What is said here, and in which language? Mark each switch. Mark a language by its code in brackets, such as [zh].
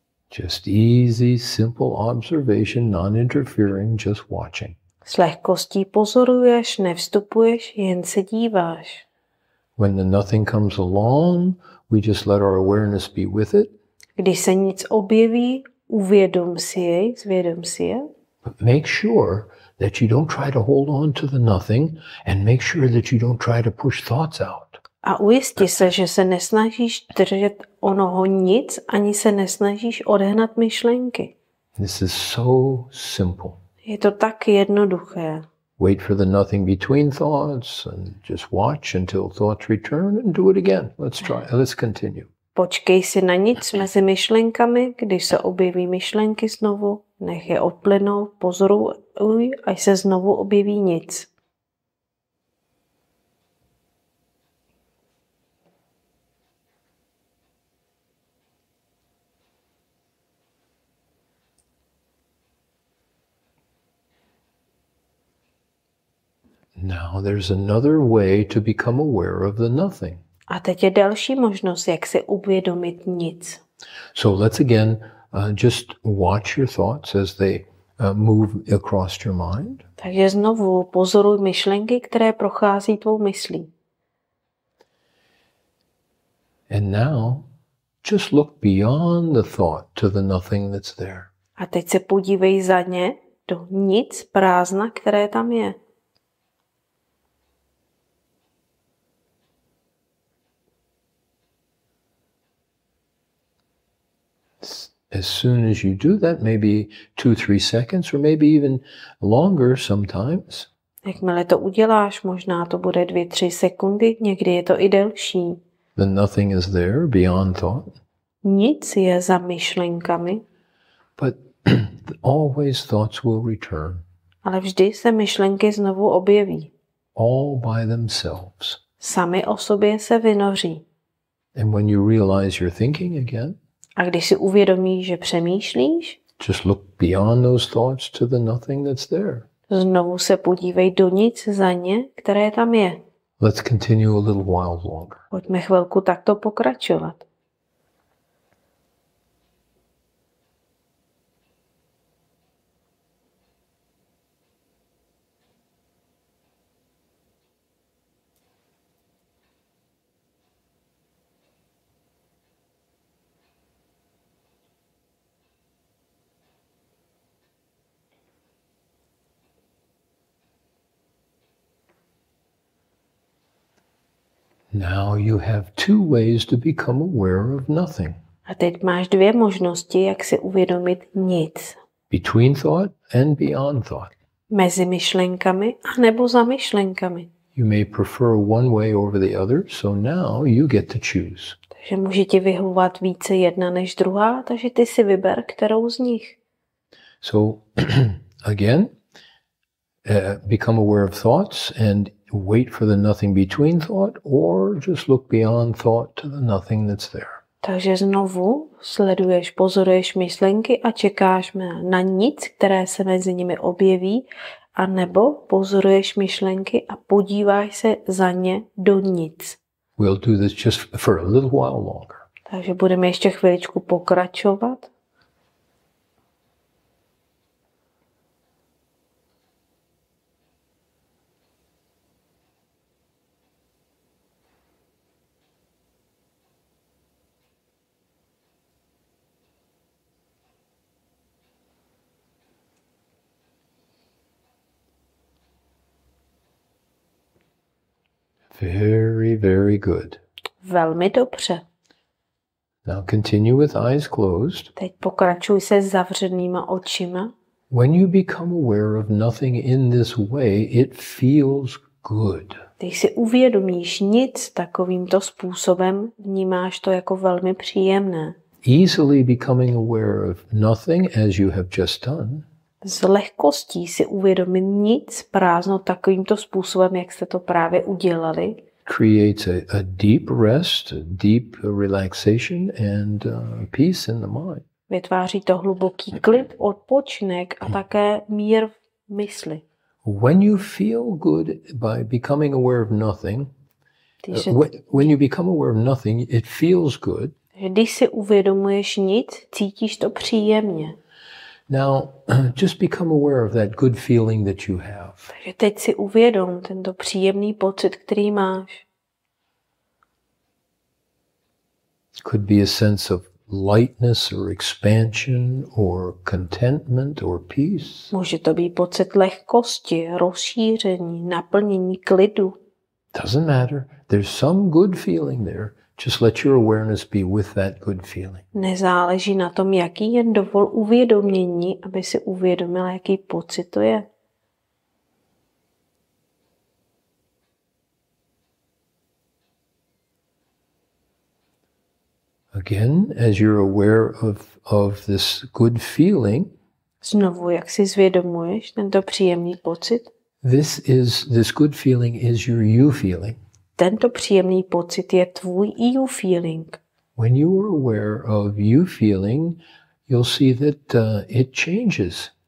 [en] Just easy, simple observation, non-interfering, just watching. [cs] S lehkostí pozoruješ, nevstupuješ, jen se díváš. [en] When the nothing comes along, we just let our awareness be with it. [cs] Když se nic objeví, uvědom si jej, zvědom si je. [en] But make sure that you don't try to hold on to the nothing and make sure that you don't try to push thoughts out. [cs] A ujisti se, že se nesnažíš držet onoho nic, ani se nesnažíš odehnat myšlenky. [en] This is so simple. [cs] Je to tak jednoduché. [en] Wait for the nothing between thoughts and just watch until thoughts return and do it again. Let's try. Let's continue. [cs] Počkej si na nic mezi myšlenkami, když se objeví myšlenky znovu, nech je odplynou, pozoruj, až se znovu objeví nic. [en] Now there's another way to become aware of the nothing. [cs] A teď je další možnost, jak si uvědomit nic. [en] So let's again just watch your thoughts as they move across your mind. [cs] Takže znovu pozoruj myšlenky, které prochází tvou myslí. [en] And now just look beyond the thought to the nothing that's there. [cs] A teď se podívej za ně do nic prázdna, které tam je. [en] As soon as you do that, maybe 2-3 seconds or maybe even longer sometimes. [cs] Jakmile to uděláš, možná to bude 2-3 sekundy, někdy je to i delší. [en] The nothing is there beyond thought. [cs] Nic je za myšlenkami. [en] But always thoughts will return. [cs] Ale vždy se myšlenky znovu objeví. [en] All by themselves. [cs] Sami o sobě se vynoří. [en] And when you realize you're thinking again, [cs] a když si uvědomíš, že přemýšlíš, [en] just look beyond those thoughts to the nothing that's there. [cs] Znovu se podívej do nic za ně, které tam je. [en] Let's continue a little while longer. [cs] Pojďme chvilku takto pokračovat. [en] Now you have two ways to become aware of nothing. [cs] A teď máš dvě možnosti, jak si uvědomit nic. [en] Between thought and beyond thought. [cs] Mezi myšlenkami a nebo za myšlenkami. [en] You may prefer one way over the other, so now you get to choose. [cs] Takže může ti vyhovovat více jedna než druhá, takže ty si vyber, kterou z nich. [en] So again, become aware of thoughts and wait for the nothing between thought or just look beyond thought to the nothing that's there. [cs] Takže znovu sleduješ, pozoruješ myšlenky a čekáš na nic, které se mezi nimi objeví, a nebo pozoruješ myšlenky a podíváš se za ně do nic. [en] We'll do this just for a little while longer. [cs] Takže budeme ještě chviličku pokračovat. [en] Very, very good. [cs] Velmi dobře. [en] Now continue with eyes closed. [cs] Teď pokračuj se zavřenýma očima. [en] When you become aware of nothing in this way, it feels good. [cs] Když si uvědomíš nic takovýmto způsobem, vnímáš to jako velmi příjemné. [en] Easily becoming aware of nothing as you have just done. [cs] S lehkostí si uvědomit nic prázdno takovýmto způsobem, jak jste to právě udělali. [en] Creates a deep rest, a deep relaxation and peace in the mind. [cs] Vytváří to hluboký klid, odpočinek a také mír v mysli. [en] When you feel good by becoming aware of nothing, when you become aware of nothing, it feels good. [cs] Když si uvědomuješ nic, cítíš to příjemně. [en] Now, just become aware of that good feeling that you have. [cs] Takže teď si uvědom tento příjemný pocit, který máš. [en] Could be a sense of lightness or expansion or contentment or peace. [cs] Může to být pocit lehkosti, rozšíření, naplnění, klidu. [en] Doesn't matter. There's some good feeling there. Just let your awareness be with that good feeling. [cs] Nezáleží na tom, jaký, jen dovol uvědomění, aby si uvědomil, jaký pocit to je. [en] Again, as you're aware of this good feeling. [cs] Znovu, jak si zvědomuješ tento příjemný pocit. [en] This good feeling is your you feeling. [cs] Tento příjemný pocit je tvůj [en] you feeling. When you are aware of you feeling, you'll see that it changes.